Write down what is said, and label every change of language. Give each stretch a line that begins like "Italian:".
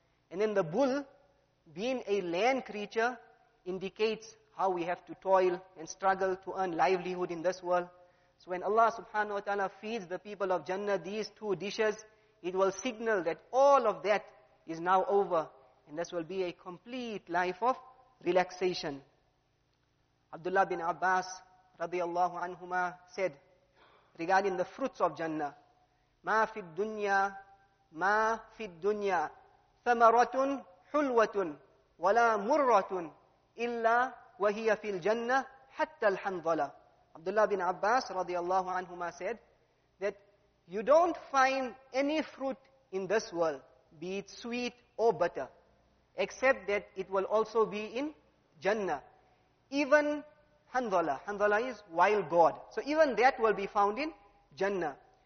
English: And then the bull, being a land creature, indicates how we have to toil and struggle to earn livelihood in this world. So when Allah subhanahu wa ta'ala feeds the people of Jannah these two dishes, it will signal that all of that is now over. And this will be a complete life of relaxation. Abdullah bin Abbas radiyallahu anhuma said regarding the fruits of Jannah,
Arabic: مَا فِي الدُّنْيَا مَا فِي الدُّنْيَا ثَمَرَةٌ حُلْوَةٌ وَلَا مُرَّةٌ إِلَّا وَهِيَ فِي الْجَنَّةِ حَتَّى الْحَنْظَلَ.
English: Abdullah bin Abbas radiyallahu anhuma said that you don't find any fruit in this world, be it sweet or bitter, except that it will also be in Jannah. Even Hanzala. Hanzala is wild gourd. So even that will be found in Jannah.